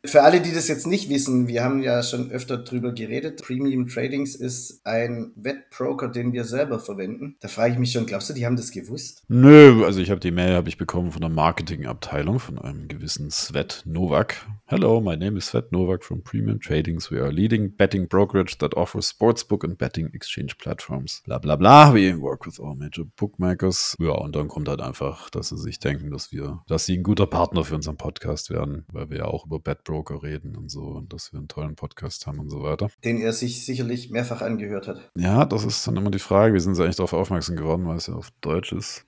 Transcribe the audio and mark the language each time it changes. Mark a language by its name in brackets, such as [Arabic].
[German] Für alle, die das jetzt nicht wissen, wir haben ja schon öfter drüber geredet. Premium Tradings ist ein Wettbroker, den wir selber verwenden. Da frage ich mich schon, glaubst du, die haben das gewusst? Nö, also ich habe die Mail habe ich bekommen von der Marketingabteilung von einem gewissen Svet Novak. [English] Hello, my name is Svet Novak from Premium Tradings. We are a leading betting brokerage that offers sportsbook and betting exchange platforms. Bla bla bla. We work with all major bookmakers. [German] Ja, und dann kommt halt einfach, dass sie sich denken, dass sie ein guter Partner für unseren Podcast werden, weil wir ja auch über Betbroker reden und so und dass wir einen tollen Podcast haben und so weiter. Den er sich sicherlich mehrfach angehört hat. Ja, das ist dann immer die Frage. Wie sind sie eigentlich darauf aufmerksam geworden, weil es ja auf Deutsch ist?